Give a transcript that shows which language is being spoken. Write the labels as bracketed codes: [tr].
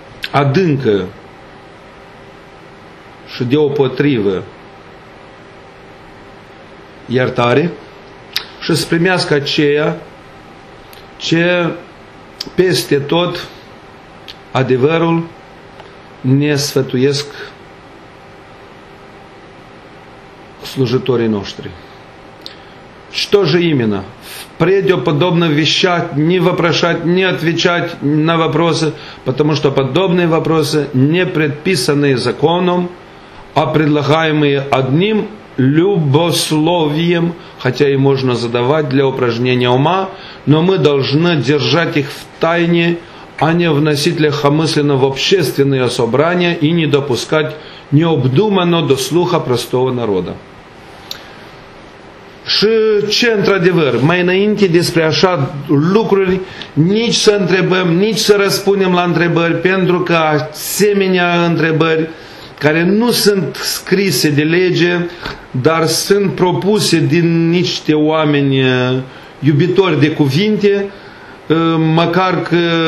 [ro] адынка și деопотривы iertare și să primească aceea ce peste tot adevărul ne sfătuiesc slujitorii noștri. [ru] Что же именно? Впредь подобно вещать, не вопрошать, не отвечать на вопросы, потому что подобные вопросы не предписаны законом, а предлагаемые одним любословием, хотя и можно задавать для упражнения ума, но мы должны держать их в тайне, а не вносить легкомысленно в общественные собрания и не допускать необдуманно до слуха простого народа. [ro] Și ce într-adevăr, mai înainte despre așa lucruri, nici să întrebăm, nici să răspundem la întrebări, pentru că asemenea întrebări care nu sunt scrise de lege, dar sunt propuse din niște oameni iubitori de cuvinte, măcar că